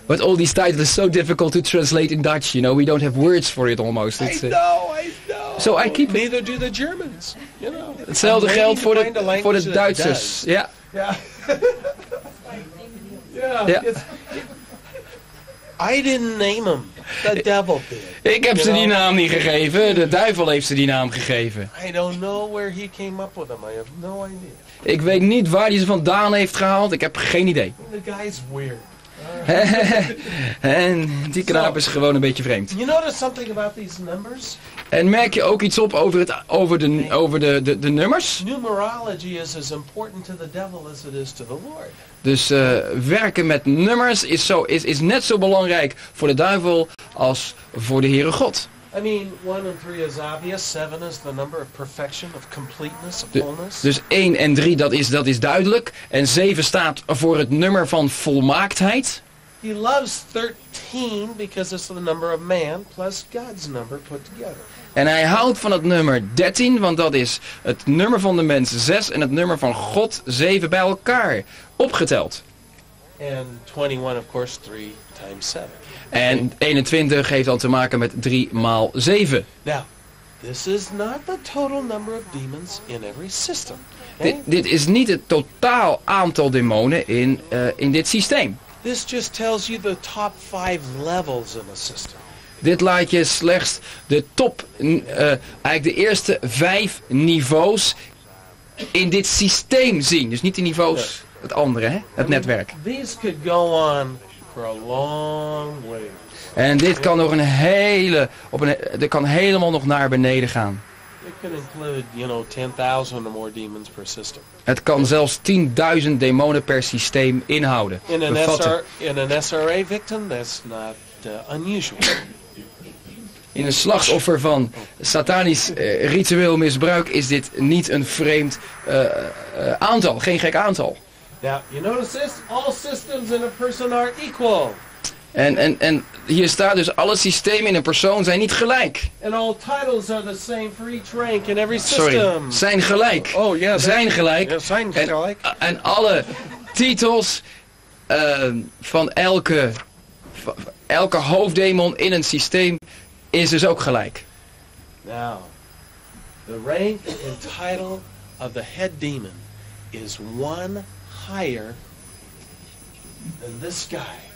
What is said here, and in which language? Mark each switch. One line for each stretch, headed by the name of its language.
English: But all these titles are so difficult to translate in Dutch, you know. We don't have words for it almost. It's I know. So I keep it. Neither do the Germans, you know.
Dutch: Hetzelfde geldt voor de Duitsers. Ja.
English: Yeah. Yeah. I didn't name them. The devil did.
Dutch: Ik heb ze die naam niet gegeven. De duivel heeft ze die naam gegeven.
English: I don't know where he came up with them. I have no idea.
Dutch: Ik weet niet waar hij ze vandaan heeft gehaald. Ik heb geen idee.
English: The guy is weird.
Dutch: En die knaap is gewoon een beetje vreemd.
English: You notice something about these numbers?
Dutch: En merk je ook iets op over de nummers?
English: Numerology is as important to the devil as it is to the Lord.
Dutch: Dus werken met nummers is net zo belangrijk voor de duivel als voor de Heere God.
English: I mean, 1 and 3 is obvious. 7 is the number of perfection, of completeness, of wholeness.
Dutch: Dus 1 en 3, dat is duidelijk. En 7 staat voor het nummer van volmaaktheid.
English: He loves 13 because it's the number of man plus God's number put together.
Dutch: En hij houdt van het nummer 13, want dat is het nummer van de mens 6 en het nummer van God 7 bij elkaar opgeteld.
English: And 21, of course, 3 times 7.
Dutch: En 21 heeft dan te maken met 3 maal 7.
English: Now, this is not the total number of demons in every system.
Dutch: Dit is niet het totaal aantal demonen in dit systeem.
English: This just tells you the top 5 levels in a system.
Dutch: Dit laat je slechts de top, eigenlijk de eerste 5 niveaus in dit systeem zien. Dus niet de niveaus, het andere, hè? Het netwerk.
English: These could go on for a long way.
Dutch: En dit kan nog een hele, dit kan helemaal nog naar beneden gaan.
English: It can include, you know, 10,000 or more demons per system.
Dutch: Het kan zelfs 10.000 demonen per systeem inhouden.
English: In an SRA victim, that's not unusual.
Dutch: In een slachtoffer van satanisch ritueel misbruik is dit niet een vreemd aantal, geen gek aantal.
English: Now, you notice this? All systems in a person are equal.
Dutch: En hier staat dus, alle systemen in een persoon zijn niet gelijk.
English: And all titles are the same for each rank in every system.
Dutch: Sorry, zijn gelijk.
English: Oh, oh yeah,
Dutch: zijn gelijk. Yeah, zijn gelijk. En alle titels van elke hoofddemon in een systeem is dus ook gelijk.
English: Now, the rank and title of the head demon is one higher than this guy.